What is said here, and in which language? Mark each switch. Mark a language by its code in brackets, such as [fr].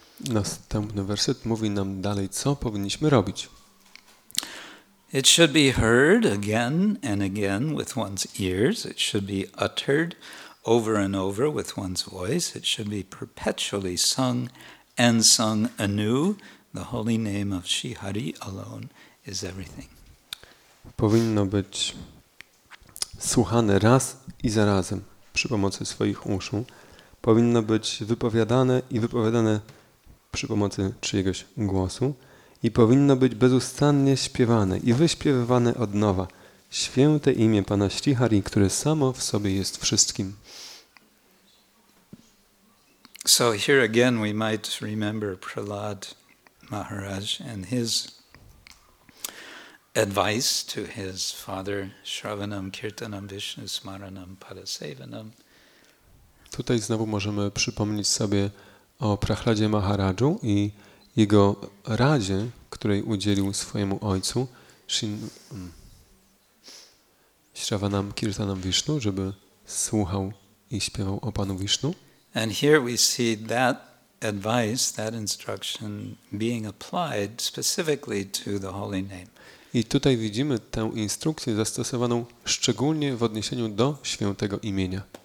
[pl] Następny werset mówi nam dalej, co powinniśmy robić. [en] It should be heard again and again with one's ears. It should be uttered over and over with one's voice. It should be perpetually sung and sung anew. The holy name of Shri Hari alone is everything. [pl] Powinno być słuchane raz i za razem przy pomocy swoich uszu. Powinno być wypowiadane i wypowiadane przy pomocy czyjegoś głosu. I powinno być bezustannie śpiewane i wyśpiewywane od nowa święte imię Pana Shri Hari, które samo w sobie jest wszystkim. [en] So here again we might remember Prahlad Maharaj and his advice to his father, Shravanam, Kirtanam, Vishnu, Smaranam, Padasevanam. [pl] Tutaj znowu możemy przypomnieć sobie o Prahladzie Maharaju i jego radzie, której udzielił swojemu ojcu, Shravanam, Kirtanam, Vishnu, żeby słuchał i śpiewał o Panu Vishnu. [en] And here we see that advice, that instruction being applied specifically to the holy name. [pl] I tutaj widzimy tę instrukcję zastosowaną szczególnie w odniesieniu do świętego imienia.